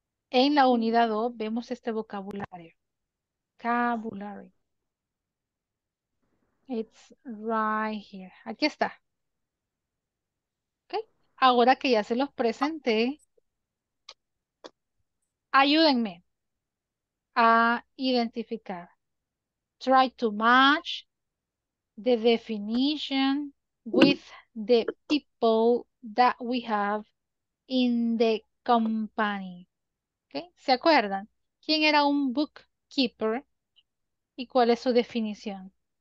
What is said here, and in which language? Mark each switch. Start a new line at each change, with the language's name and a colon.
Spanish: En la unidad 2 vemos este vocabulario. Vocabulary.
English: It's right here.
Spanish: Aquí está.
English: Okay.
Spanish: Ahora que ya se los presenté, ayúdenme a identificar.
English: Try to match the definition with the people that we have in the company.
Spanish: Okay? ¿Se acuerdan? ¿Quién era un bookkeeper y cuál es su definición?